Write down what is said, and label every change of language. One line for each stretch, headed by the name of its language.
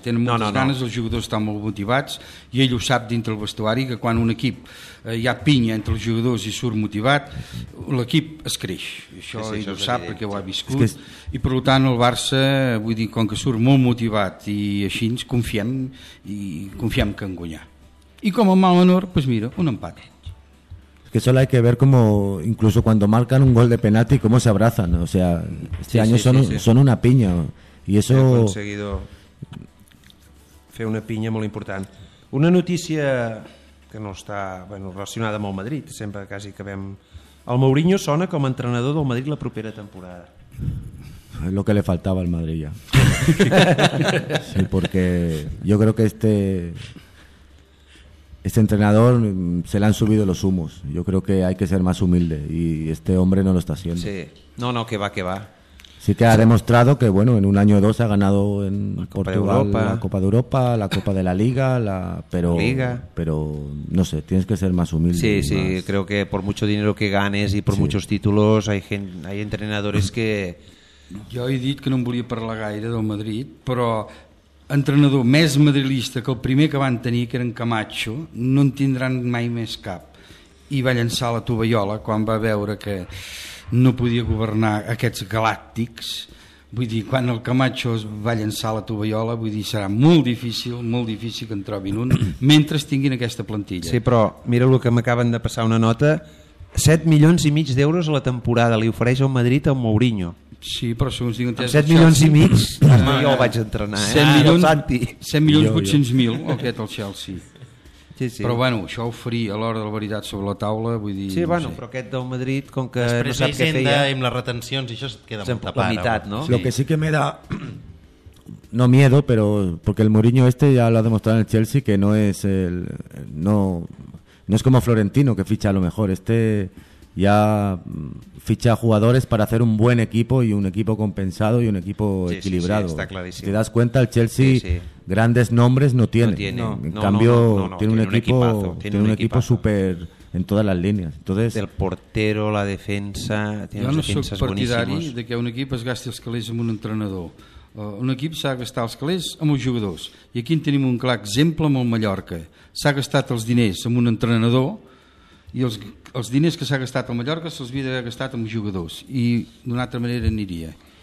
Catalan: Tenen moltes ganes, els jugadors estan molt motivats i ell ho sap dintre el vestuari, que quan un equip hi ha pinya entre els jugadors i surt motivat, l'equip es creix. Això sí, ell ho sap perquè ho ha viscut. I per tant, el Barça, vull dir, com que surt molt motivat i així, confiem que en guanyar.
Spanish: Y como mal honor, pues mira, un empate. Es que solo hay que ver cómo, incluso cuando marcan un gol de penalti, cómo se abrazan. O sea, son una piña. Y eso... He conseguido
Catalan: fer
Spanish: una piña muy importante. Una noticia que no está, bueno, relacionada con el Madrid, siempre casi que vemos.
Catalan: El Mourinho sona
Spanish: como
Catalan: entrenador del Madrid la propera temporada.
Spanish: Es lo que le faltaba al Madrid ya. Sí, porque yo creo que este... este entrenador se le han subido los humos. Yo creo que hay que ser más humilde y este hombre no lo está haciendo. Sí, no, no, que va, que va. Sí que ha demostrado que, bueno, en un año o dos ha ganado en Portugal la Copa de Europa, la Copa de la Liga, pero no sé, tienes que ser más humilde. Sí, más. Creo que por mucho dinero que ganes y por muchos títulos hay entrenadores que...
Catalan: Jo he dit que no em volia parlar gaire del Madrid, però entrenador més madridista que el primer que van tenir, que era en Camacho, no en tindran mai més cap. I va llançar la tovallola quan va veure que no podia governar aquests galàctics. Vull dir, quan el Camacho es va llançar la tovallola, vull dir, serà molt difícil que en trobin un, mentre tinguin aquesta plantilla. Sí, però mira el que m'acaben de passar una nota. 7,5 milions d'euros a la temporada li ofereix el Madrid al Mourinho. Sí, però segons diuen... 7 milions i mig, jo el vaig entrenar, 7,8 milions, o aquest, el Chelsea. Sí, sí. Però bueno, això ho faria a l'hora de la veritat sobre la taula, vull dir... Sí, bueno, però aquest del Madrid, com que no sap què feia... Després d'Hisenda, amb les retencions, i això se't queda molta part. La meitat, no?
Spanish: Lo que sí que me da... No miedo, pero... Porque el Mourinho este ya lo ha demostrado en el Chelsea, que no es el... No, no es como Florentino, que ficha a lo mejor. Este ya... ficha jugadores para hacer un buen equipo y un equipo compensado y un equipo equilibrado. Sí, sí, está clarísimo. Si te das cuenta, el Chelsea grandes nombres no tiene. No tiene. En no, cambio, no, tiene un equipo, tiene un equipo súper en todas las líneas. Entonces, el portero, la defensa, tiene unas defensas buenísimas. Yo no soy
Catalan: partidari de que un equipo es gasti els calés amb un entrenador. Un equip s'ha gastat els calés amb els jugadors. I aquí en tenim un clar exemple amb el Mallorca. S'ha gastat els diners amb un entrenador i els diners que s'ha gastat al Mallorca se'ls havia d'haver gastat amb jugadors i d'una altra manera aniria